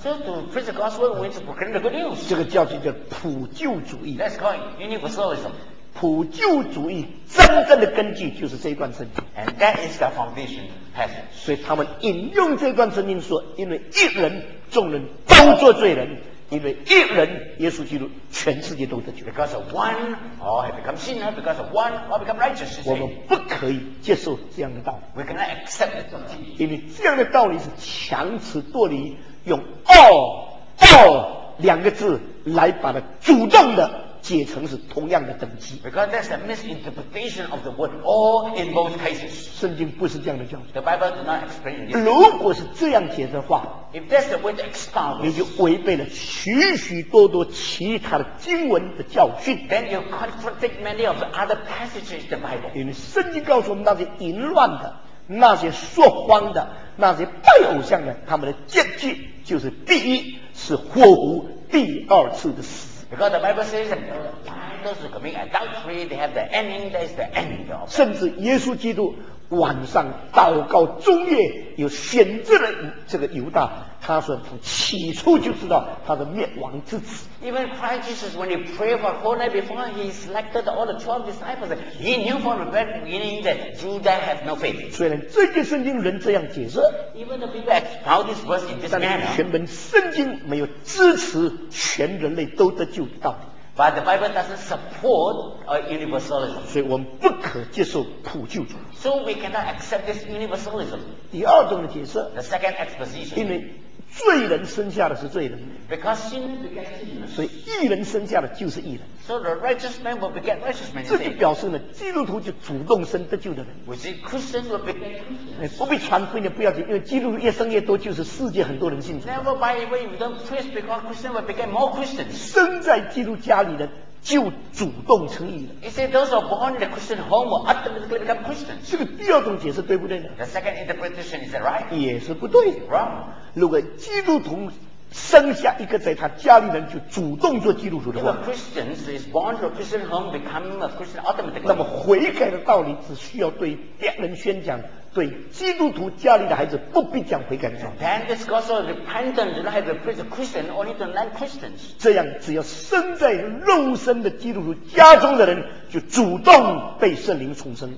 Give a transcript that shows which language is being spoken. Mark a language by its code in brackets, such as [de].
[en] So to preach the gospel, we need to proclaim the good news. [zh] 这个教训叫普救主义。 [en] That's called universalism. [zh] 普救主义真正的根据就是这一段圣经。 [en] And that is the foundation passage. [zh] 所以他们引用这段圣经说，因为一人，众人都做罪人。因为一人耶稣基督全世界都得救 [en] because of one all have become sinner because of one all become righteous [zh] 我们不可以接受这样的道理 [en] we cannot accept this doctrine [zh] 因为这样的道理是强词夺理用 all 两个字来把它主动的解成是同样的等级 [en] because that's a misinterpretation of the word all in both cases [zh] 圣经不是这样的教义 [en] the Bible does not explain this [zh] 如果是这样解的话 [en] If that's the way to expound, [zh] 你就违背了许许多多其他的经文的教训。 [en] Then you contradict many of the other passages in the Bible. [zh] 因为圣经告诉我们，那些淫乱的、那些说谎的、那些拜偶像的，他们的结局就是第一是祸福，第二次的死。 [en] Because the Bible says that those who commit adultery, they have the ending. That is the end of. [zh] 甚至耶稣基督。晚上祷告中夜又选择了这个犹大他说从起初就知道他的灭亡之子 [en] Even Christ Jesus when he prayed for whole night before he selected all the 12 disciples he knew from the very beginning that Judah had no faith [zh] 虽然这些圣经人这样解释 [en] Even the people expound this verse in this manner [zh] 但全本圣经没有支持全人类都得救的道理 [en] But the Bible doesn't support a universalism. [zh] 所以我们不可接受普救主。 [en] So we cannot accept this universalism. [zh] 第二种的解释。 [en] The second exposition. [zh] 因为罪人生下的是罪人。 [en] Because sin. [zh] 所以义人生下的就是义人。 [en] So the righteous man will beget righteous man. [zh] 这就表示了基督徒就主动生得救的人。 [en] Which is Christians will beget Christians. [zh] 不必传福音不要紧，因为基督徒越生越多，就是世界很多人信主。 [en] Never by the way you don't preach because Christians will beget more Christians. [zh] 生在基督家里的。就主动成义了。 [en] He said those who are born in the Christian home will automatically become Christians. [zh] 这个第二种解释对不对呢 [en] ？The second interpretation is that right? [zh] 也是不对。 [en] Wrong. [zh] 如果基督徒生下一个在他家里人就主动做基督徒的话 [en] ，If a Christian is born to a Christian home become a Christian automatically. [zh] 那么悔改的道理只需要对别人宣讲。对基督徒家里的孩子不必讲悔改的道理。 [en] Then this gospel of repentance not have to preach to Christians, only to non-Christians. [zh] 这样，只要生在肉身的基督徒家中的人，就主动被圣灵重生。